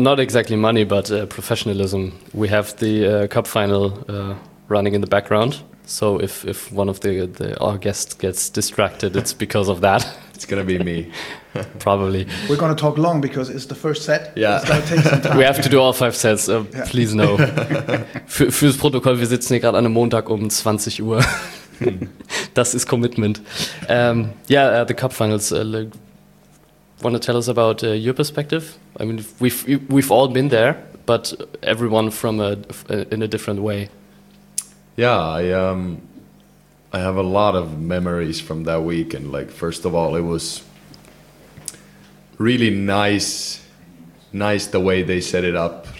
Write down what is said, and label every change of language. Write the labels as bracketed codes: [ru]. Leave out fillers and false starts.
[en] not exactly money, but professionalism. We have the cup final running in the background. So if one of the our guests gets distracted, it's because of that. It's going to be me. Probably. We're going to talk long because it's the first set. Yeah. It's going to take some time. We have to do all 5 sets. Please no. [de] Fürs Protokoll, wir sitzen hier gerade an einem Montag um 20 Uhr. Das ist Commitment. [en] The cup finals. Want to tell us about your perspective? I mean, we've all been there, but everyone from in a different way. Yeah, I have a lot of memories from that week, and like, first of all, it was really nice the way they set it up.